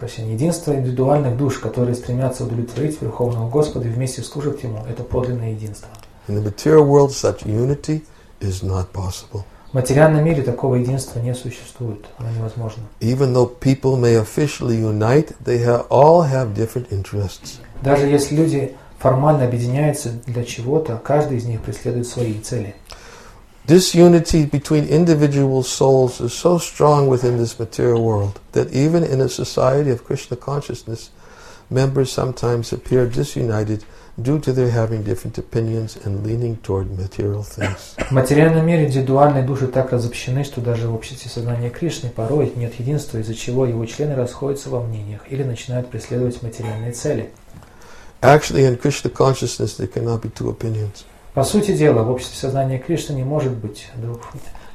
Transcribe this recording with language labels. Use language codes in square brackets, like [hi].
[ru] Единство индивидуальных душ, которые стремятся удовлетворить Верховного Господа и вместе служат Ему, это подлинное единство. [en] In the material world, such unity is not possible. [ru] В материальном мире такого единства не существует, оно невозможно. [en] Even though people may officially unite, they all have different interests. [ru] Даже если люди формально объединяются для чего-то, каждый из них преследует свои цели. [en] This unity between individual souls is so strong within this material world that even in a society of Krishna consciousness, members sometimes appear disunited due to their having different opinions and leaning toward material things. [ru] В материальном мире индивидуальные души так разобщены, что даже в обществе сознания Кришны порой нет единства, из-за чего его члены расходятся во мнениях или начинают преследовать материальные цели. [en] Actually, in Krishna consciousness, there cannot be two opinions. [ru] По сути дела, в обществе сознания Кришны не может быть двух мнений.